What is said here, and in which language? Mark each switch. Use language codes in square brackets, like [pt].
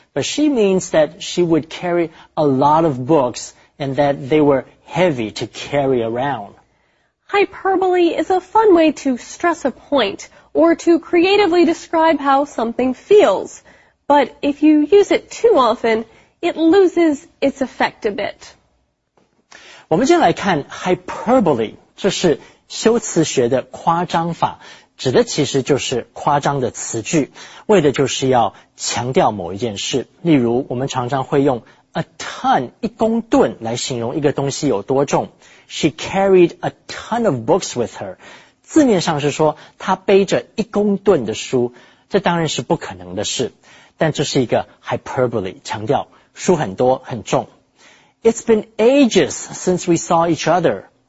[en] But she means that she would carry a lot of books and that they were heavy to carry around. Hyperbole is a fun way to stress a point or to creatively describe how something feels. But if you use it too often, it loses its effect a bit. [zh] 我们先来看 hyperbole, 这是修辞学的夸张法，指的其实就是夸张的词句，为的就是要强调某一件事。例如，我们常常会用 a ton, 一公吨来形容一个东西有多重。 [en] She carried a ton of books with her. [zh] 字面上是说她背着一公吨的书，这当然是不可能的事，但这是一个 hyperbole, 强调书很多很重。 [en] It's been ages since we saw each other.